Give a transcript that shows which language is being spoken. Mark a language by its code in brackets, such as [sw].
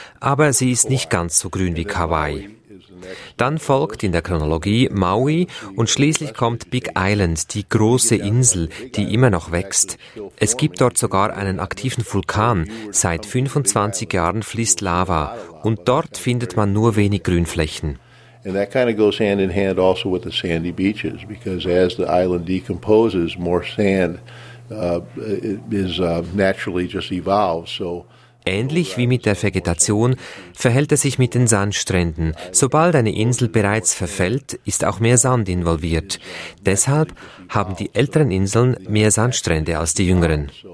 [de] Aber sie ist nicht ganz so grün wie Kauai. Dann folgt in der Chronologie Maui und schließlich kommt Big Island, die große Insel, die immer noch wächst. Es gibt dort sogar einen aktiven Vulkan. Seit 25 Jahren fließt Lava und dort findet man nur wenig Grünflächen. [en] And that kind of goes hand in hand also with the sandy beaches, because as the island decomposes, more sand is naturally just evolves. [de] So ähnlich wie mit der Vegetation verhält es sich mit den Sandstränden. Sobald eine Insel bereits verfällt, ist auch mehr Sand involviert. Deshalb haben die älteren Inseln mehr Sandstrände als die jüngeren.